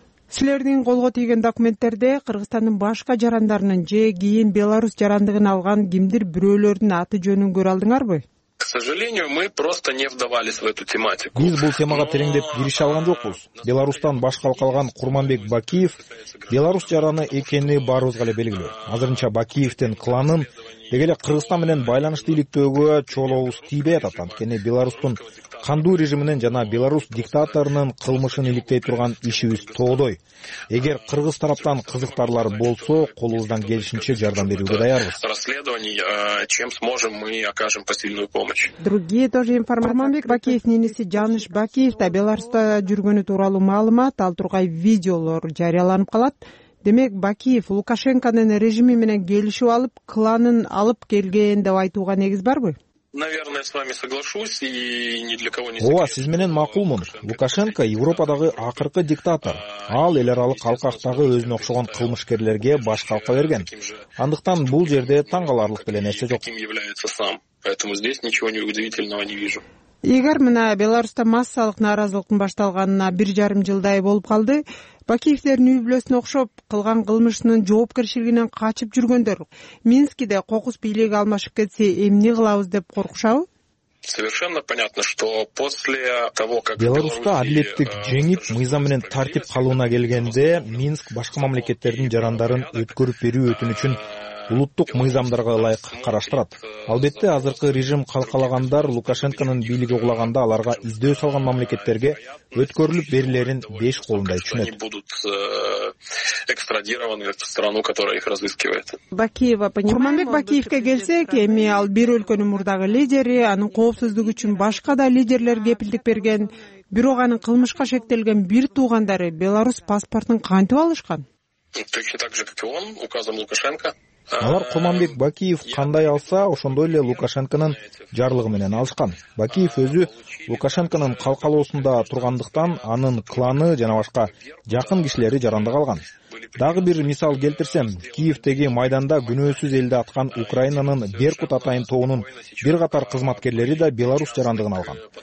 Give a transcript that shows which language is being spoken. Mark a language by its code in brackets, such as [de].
[ky] Силердин колго тийген документтерде Кыргызстандын башка жарандарынын же кийин Беларусь жарандыгын алган кимдир бирөөлөрдүн аты жөнүн көрө алдыңарбы? [ru] К сожалению, мы просто не вдавались в эту тематику. [ky] Биз бул темага тереңдеп кирише алган жокпуз. Беларусьтан башка калган Курманбек Бакиев Беларусь жараны экени баарыбызга эле белгилүү. Азырынча Бакиевдин кланын Дегеле Кыргызстан менен байланышты иликтөөгө чолообуз тийбейт атат, анткени Беларусьтун кандуу режиминин жана Беларусь диктаторунун кылмышын иликтей турган ишибиз тоодой. Эгер кыргыз тараптан кызыктарлар болсо, колубуздан келишинче жардам берүүгө даярбыз. [ru] Расследование, чем сможем, мы окажем посильную помощь. Другие тоже информация. [ky] Арманбек Бакиев ненеси Жаныш Бакиев да Беларусьта жүргөнү тууралуу маалымат, ал тургай видеолор жарыяланып калат. Демек, Бакиев Лукашенконун режими менен келишип алып, кланын алып келген деп айтууга негиз барбы? [ru] Наверное, с вами соглашусь и ни для кого не [ky] секрет. Ооба, сиз менен макулмун. Лукашенко Европадагы акыркы диктатор. Ал эл аралык калкактагы өзүнө окшогон кылмышкерлерге баш калка берген. Андыктан бул жерде таң каларлык деле нерсе жок. [ru] Поэтому здесь ничего удивительного не вижу. [ky] Эгер мына Беларусьта массалык нааразылыктын башталганына 1.5 жылдай болуп калды, Бакиевдердин үй бүлөсүнө окшоп кылган кылмышынын жоопкерчилигинен качып жүргөндөр Минскиде кокус бийлиги алмашып кетсе эмне кылабыз деп коркушабы? [ru] Совершенно понятно, что после того, как [ky] Беларусьта адилеттик жеңип, мыйзам менен тартип калууна келгенде, Минск башка мамлекеттердин жарандарын өткөрүп берүү өтүнүчүн улуттук мыйзамдарга ылайык караштырат. Албетте, азыркы режим калкалагандар Лукашенконун бийлиги кулаганда аларга издөө салган мамлекеттерге өткөрүлүп берилерин беш колундай түшүнөт. [ru] Они будут экстрадированы в страну, которая их разыскивает. Бакиева, понимаете? [ky] Курманбек Бакиевке келсек, эми ал бир өлкөнүн мурдагы лидери, анын коопсуздугу үчүн башка да лидерлер кепилдик берген, бирок анын кылмышка шектелген бир туугандары Беларусь паспортун кантип алышкан? [ru] Точно так же, как и он, указом Лукашенко. [ky] Алар Курманбек Бакиев кандай алса, ошондой эле Лукашенконун жарлыгы менен алышкан. Бакиев өзү Лукашенконун калкалоосунда тургандыктан анын кланы жана башка жакын кишилери жарандык алган. Дагы бир мисал келтирсем, Киевтеги майданда күнөөсүз элди аткан Украинанын Беркут атайын тобунун бир катар кызматкерлери да Беларусь жарандыгын алган.